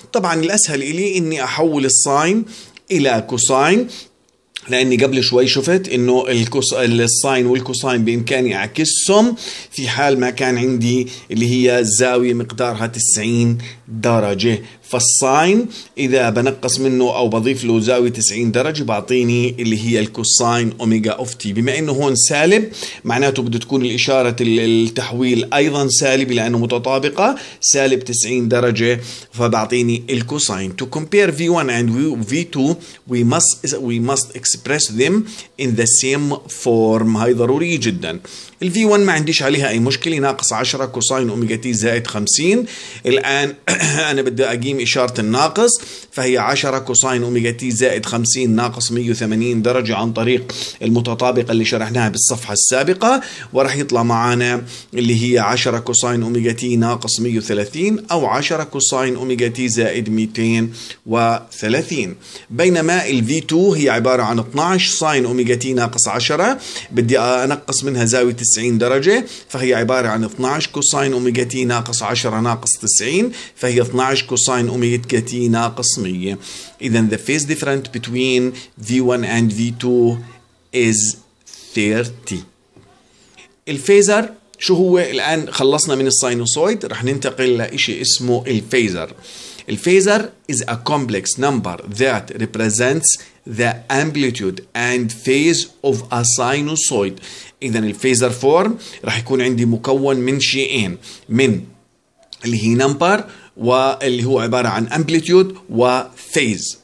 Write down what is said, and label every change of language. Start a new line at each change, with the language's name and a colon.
Arabic: طبعا الأسهل إلي إني أحول الساين إلى كوساين، لأني قبل شوي شفت إنه الساين والكوساين بإمكاني أعكسهم في حال ما كان عندي اللي هي زاوية مقدارها 90 درجة، فالساين إذا بنقص منه أو بضيف له زاوية 90 درجة بعطيني اللي هي الكوساين أوميجا أوف تي. بما إنه هون سالب معناته بده تكون الإشارة التحويل أيضا سالب لأنه متطابقة، سالب 90 درجة فبعطيني الكوساين.
English: To compare V1 and V2 we must express them in the same form.
Arabic: هاي ضروري جدا. ال V1 ما عنديش عليها أي مشكلة، ناقص 10 كوساين أوميجا تي زائد 50. الآن أنا بدي أقيم إشارة الناقص، فهي 10 كوساين أوميجا تي زائد 50 ناقص 180 درجة عن طريق المتطابقة اللي شرحناها بالصفحة السابقة، ورح يطلع معانا اللي هي 10 كوساين أوميجا تي ناقص 130 أو 10 كوساين أوميجا تي زائد 230. بينما ال V2 هي عبارة عن 12 ساين أوميجا تي ناقص 10، بدي أنقص منها زاوية 90 درجة، فهي عبارة عن 12 كوساين أوميجا تي ناقص 10 ناقص 90، فهي 12 كوساين أوميجا تي ناقص 100. إذن
English: the phase difference between V1 and V2 is 30.
Arabic: الفيزر شو هو؟ الآن خلصنا من الساينوسويد، رح ننتقل لإشي اسمه الفيزر.
English: الفيزر is a complex number that represents the amplitude and phase of a sinusoid.
Arabic: إذن الفيزر فورم رح يكون عندي مكون من شيئين، من اللي هي نمبر واللي هو عبارة عن أمبليتيود وفيز.